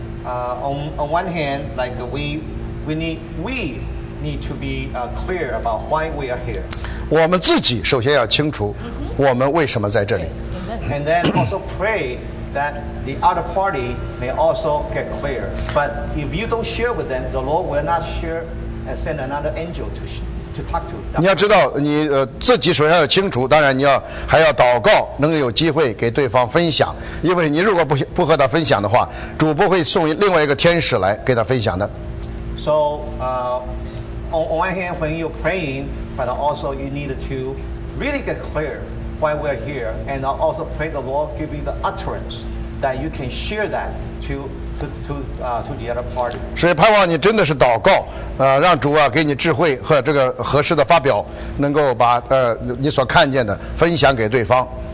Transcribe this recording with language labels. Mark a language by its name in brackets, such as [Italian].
[English] On one hand, like we need to be clear about why we are here. [Chinese] 我们自己首先要清楚我们为什么在这里。 [English] Okay. And then also pray that the other party may also get clear. But if you don't share with them, the Lord will not share and send another angel to to talk to. [Chinese] 你要知道你自己首先要清楚，当然你要还要祷告，能有机会给对方分享。因为你如果不和他分享的话，主不会送另外一个天使来给他分享的。 [English] So, on one hand, when you're praying, but also you need to really get clear why we're here, and also pray the Lord give you the utterance that you can share that to the other party. [Chinese] 所以盼望你真的是祷告，让主啊给你智慧和这个合适的发表，能够把你所看见的分享给对方。